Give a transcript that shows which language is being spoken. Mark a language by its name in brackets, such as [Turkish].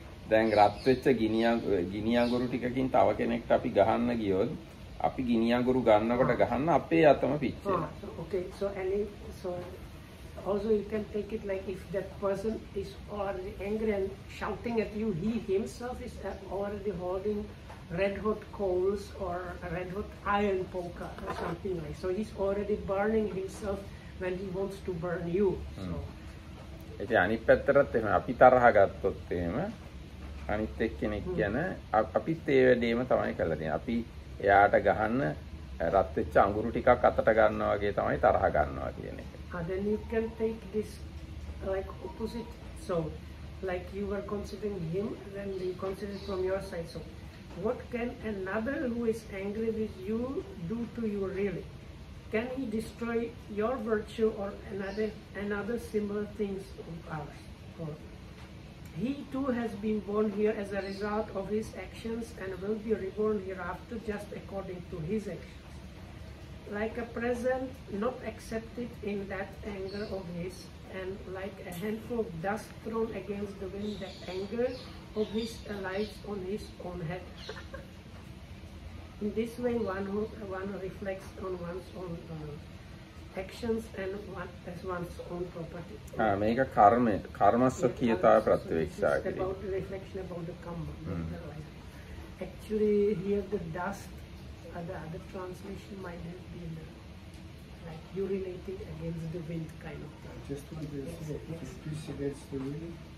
[Sinhala] දැන් රත් වෙච්ච ගිනි අඟුරු ටිකකින් තව කෙනෙක්ට අපි ගහන්න ගියොත් අපි ගිනි අඟුරු ගන්නකොට ගහන්න අපේ අතම පිච්චෙනවා. [English] Okay, so any so also you can take it like if that person is already angry and shouting at you, he himself is already holding red hot coals or red hot iron poker or something like. So he's already burning himself when he wants to burn you. So [Sinhala] ඒ කියන්නේ පැත්තරත් එහෙම අපි තරහ ගත්තොත් එහෙම අනිත් එක්කෙනෙක් ගැන අපිත් ඒ වැඩේම තමයි කරලා තියෙන්නේ. අපි එයාට ගහන්න රත් වෙච්ච අඟුරු ටිකක් අතට ගන්නවා වගේ තමයි තරහ ගන්නවා කියන එක. [English] Then you can take this like opposite. So like you were considering him, then you consider from your side. So what can another who is angry with you do to you really? Can he destroy your virtue or another similar things of ours? Or he too has been born here as a result of his actions and will be reborn hereafter just according to his actions. Like a present not accepted in that anger of his, and like a handful of dust thrown against the wind, that anger of his alights on his own head. In this way, one reflects on one's own actions and one as one's own property. [Sinhala] ආ මේක කර්ම කර්ම සොකියතාව ප්‍රතිවික්ෂා කිරීම. [English] About the reflection about the karma. Actually here the dust or the other transmission might have been like you related against the wind kind of thing. Just want to see if it's against the wind.